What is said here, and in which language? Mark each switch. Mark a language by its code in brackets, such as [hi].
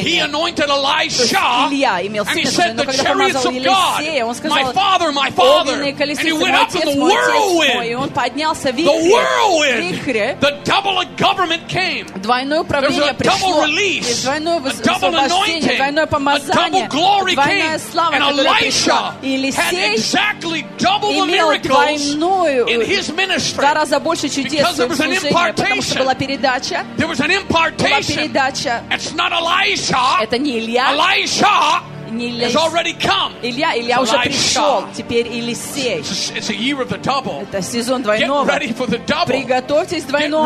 [en] But when he anointed Elisha, [ru] Илья имел сильное служение. [en] And he said, "The chariots of God." [ru] Он сказал, [en] "My father, my father." And he went [ru] отец, [en] up in the whirlwind. The whirlwind. The double of government came. [ru] Двойное управление пришло. [en] A double release. [ru] И двойное высвобождение. [en] A double anointing. [ru] Двойное помазание. [en] A double glory came. [ru] Двойная слава. [en] And Elisha had exactly double the miracles in his ministry. [ru] В два раза больше чудес. [en] Because there was an impartation. [ru] Потому что была передача. [en] There was an impartation. [ru] Была передача. [en] It's not Elisha. [ru] Это не Илья. [en] Elisha. Has already come. [ru] Илья, Илья уже пришел. Теперь Елисей. [en] It's a year of the double. [ru] Это сезон двойного. [en] Get ready for the double. [ru] Приготовьтесь двойному.